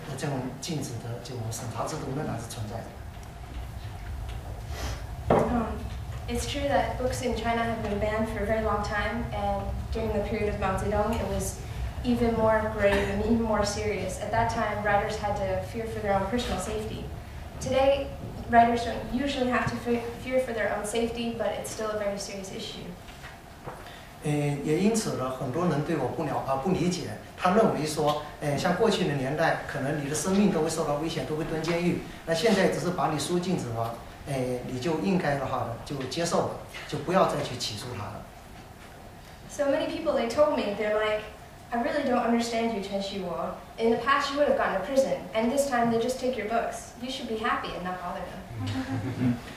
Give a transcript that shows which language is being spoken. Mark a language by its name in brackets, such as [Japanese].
[Chinese] 中国是自从事件之后，很多的作家的作品都被禁止了。这个禁止呢，在毛泽东时代是更厉害，就是可能会危及到作家本人的生命安全。现在的话，可能是这种情况是不会，至少比较少。但是的话，这种禁止的这种审查制度仍然是存在的。 [English] It's true that books in China have been banned for a very long time, and during the period of Mao Zedong, it was even more grave and even more serious. At that time, writers had to fear for their own personal safety. Today, writers don't usually have to fear for their own safety, but it's still a very serious issue. [Chinese] 也因此呢，很多人对我不了啊，不理解。他认为说，像过去的年代，可能你的生命都会受到危险，都会蹲监狱。那现在只是把你输进去的话，你就应该的话就接受了，就不要再去起诉他了。 [English] So many people they told me, they're like, I really don't understand you, Chen Xiwo. In the past, you would have gone to prison, and this time they just take your books. You should be happy and not bother them.